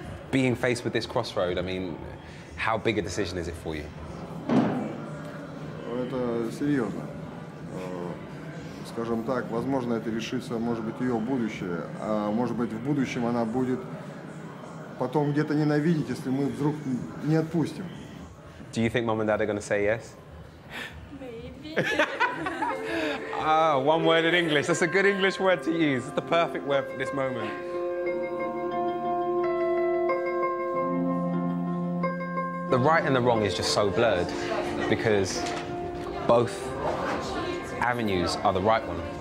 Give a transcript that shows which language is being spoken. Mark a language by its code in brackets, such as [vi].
[en] Being faced with this crossroad, I mean, how big a decision is it for you? [ru] Это серьезно. Скажем так, возможно, это решится, может быть, ее будущее. А может быть, в будущем она будет потом где-то ненавидеть, если мы вдруг не отпустим. [en] Do you think mom and dad are going to say yes? Maybe. Ah, one word in English. That's a good English word to use. It's the perfect word for this moment. The right and the wrong is just so blurred because both avenues are the right one.